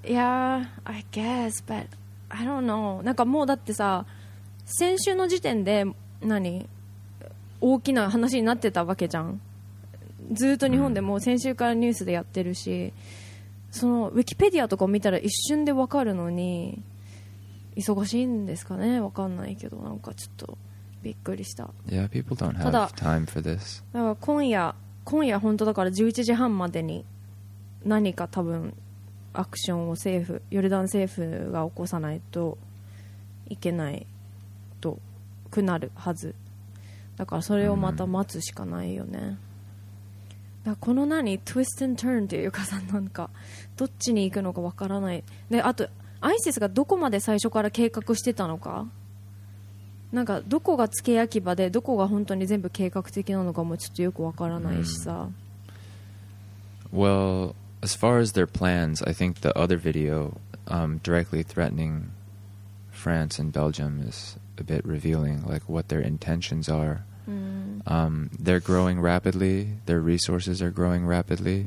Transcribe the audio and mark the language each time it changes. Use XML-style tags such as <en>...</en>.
<en>Yeah, I guess, but I don't know.</en> <ja>なんかもうだってさ、先週の時点で何大きな話になってたわけじゃん。ずっと日本でもう先週からニュースでやってるし、そのウィキペディアとか見たら一瞬でわかるのに、忙しいんですかね、わかんないけど、なんかちょっと。びっくりした。</ja> <en>Yeah, people don't have time for this.</en> <ja>だから今夜本当だから11時半までに何か多分アクションを政府ヨルダン政府が起こさないといけないとくなるはず。だからそれをまた待つしかないよね。だからこの何トゥイストンターンというかさ、なんかどっちに行くのかわからない。であと ISIS がどこまで最初から計画してたのか、なんかどこが付け焼き場でどこが本当に全部計画的なのかもちょっとよくわからないしさ、 mm.</ja> <en>Well, as far as their plans, I think the other video、directly threatening France and Belgium is a bit revealing like what their intentions are、 mm. They're growing rapidly, their resources are growing rapidly、</en>